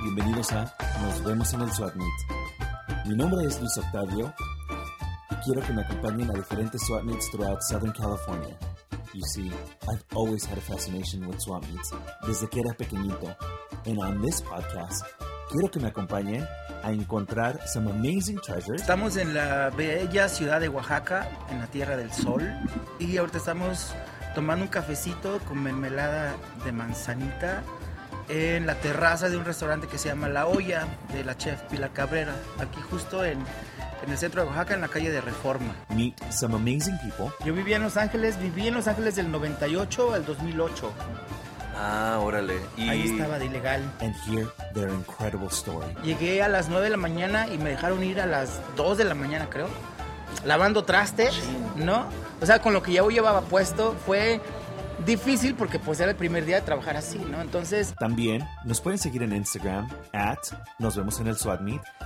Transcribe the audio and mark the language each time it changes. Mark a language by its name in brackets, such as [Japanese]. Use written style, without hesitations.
[Spanish] Bienvenidos a Nos vemos en el SWAT Meet. Mi nombre es Luis Octavio y quiero que me acompañen a diferentes SWAT Meets [English] throughout Southern California. You see, I've always had a fascination with SWAT Meets [Spanish] desde que era pequeñito. [English] And on this podcast, [Spanish] quiero que me acompañen a encontrar [English] some amazing treasures. [Spanish] Estamos en la bella ciudad de Oaxaca, en la Tierra del Sol. Y ahorita estamos tomando un cafecito con mermelada de manzanita en la terraza de un restaurante que se llama La Olla, de la chef Pilar Cabrera, aquí justo en el centro de Oaxaca, en la calle de Reforma. [English] Meet some amazing people. [Spanish] Yo vivía en Los Ángeles, del 98 al 2008. Ah, órale. Y ahí estaba de ilegal. [English] And here, their incredible story. [Spanish] Llegué a las 9 de la mañana y me dejaron ir a las 2 de la mañana, creo, lavando trastes, ¿no? O sea, con lo que ya yo llevaba puesto, fue difícil porque pues era el primer día de trabajar así, ¿no? Entonces, también nos pueden seguir en Instagram @ nos vemos en el SWAT Meet.